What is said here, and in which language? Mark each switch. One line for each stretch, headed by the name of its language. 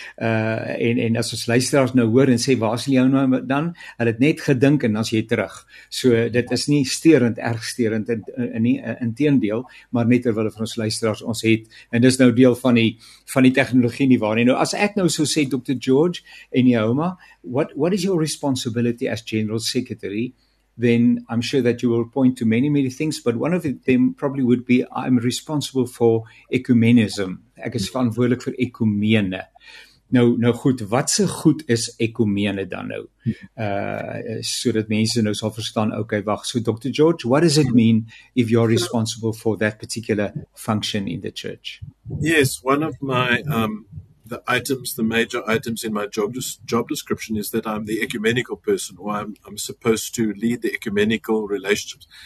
Afrikaans: En as ons luisteraars nou hoor en sê waar is jou nou dan, hulle het net gedink en dan's jy terug. So dit is nie steurend erg steurend inteendeel, maar net terwyl vir ons luisteraars ons het en dis nou deel van die tegnologie nie waar nie. Nou as ek nou sou sê Dr.
English: George en die Homa, what is your responsibility as general secretary? Then I'm sure that you will point to many, many things, but one of them probably would be I'm responsible for ecumenism.
Afrikaans: Ek is verantwoordelik vir ekumene. Nou goed, wat se goed is ekumene dan nou? So dat mense nou sal verstaan, okay, wag, so Dr.
English: George, what does it mean if you're responsible for that particular function in the church? Yes, one of my the major items in my job description is that I'm the ecumenical person, or I'm supposed to lead the ecumenical relationships.